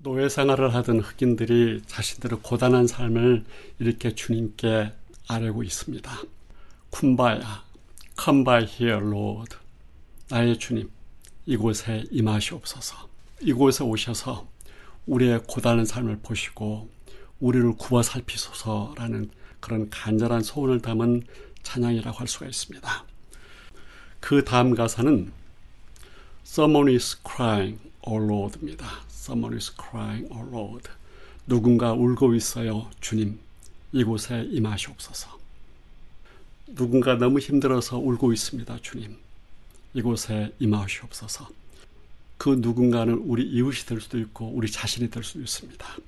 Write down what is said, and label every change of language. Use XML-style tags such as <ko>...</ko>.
<ko>생활을 하던 흑인들이 자신들의 고단한 삶을 이렇게 주님께 아뢰고 있습니다.</ko> <en>쿰바야, Come by here, Lord.</en> <ko>나의 주님, 이곳에 임하시옵소서. 이곳에 오셔서 우리의 고단한 삶을 보시고 우리를 구워 살피소서라는 그런 간절한 소원을 담은 찬양이라고 할 수가 있습니다. 그 다음 가사는</ko> <en>Someone is crying, O Lord입니다. Someone is crying, O Lord.</en> <ko>누군가 울고 있어요, 주님. 이곳에 임하시옵소서. 누군가 너무 힘들어서 울고 있습니다, 주님. 이곳에 임하시옵소서. 그 누군가는 우리 이웃이 될 수도 있고 우리 자신이 될 수도 있습니다.</ko>